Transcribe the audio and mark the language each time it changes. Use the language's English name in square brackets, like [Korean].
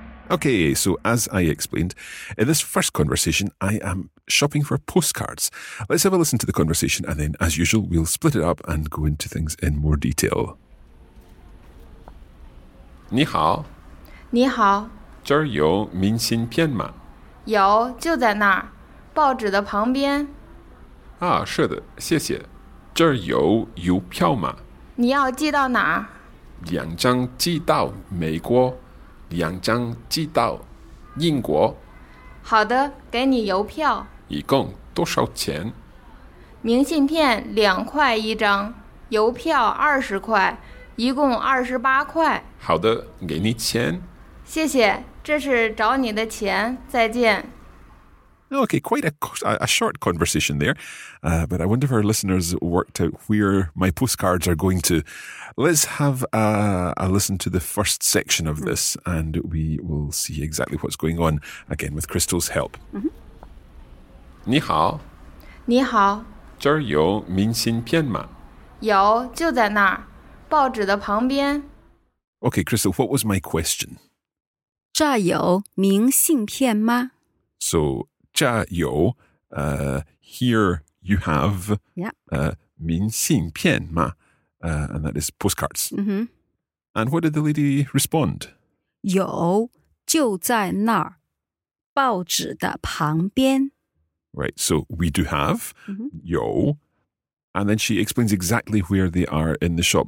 [English] Okay, so as I explained, in this first conversation, I am shopping for postcards. Let's have a listen to the conversation, and then, as usual, we'll split it up and go into things in more detail. [Chinese] 你好。你好。这儿有明信片吗? 有,就在那儿,报纸的旁边。啊,是的,谢谢。这儿有邮票吗? 你要寄到哪儿? 两张寄到美国。两张寄到英国好的,给你邮票一共多少钱? 明信片2块1张 邮票20块 一共28块好的,给你钱谢谢,这是找你的钱 再见 [English] Okay, quite a short conversation there, but I wonder if our listeners worked out where my postcards are going to. Let's have a listen to the first section of this, and we will see exactly what's going on, again with Crystal's help. [Chinese] 你好。你好。这儿有明信片吗? 有,就在那儿,报纸的旁边。 [English] Okay, Crystal, what was my question? [Chinese] 这儿有明信片吗? [English] So... [Chinese] 这有, [English] here you have [Chinese] 明信片吗? [English] And that is postcards. And what did the lady respond? [Chinese] 有,就在那儿,报纸的旁边. [English] Right, so we do have 有, and then she explains exactly where they are in the shop.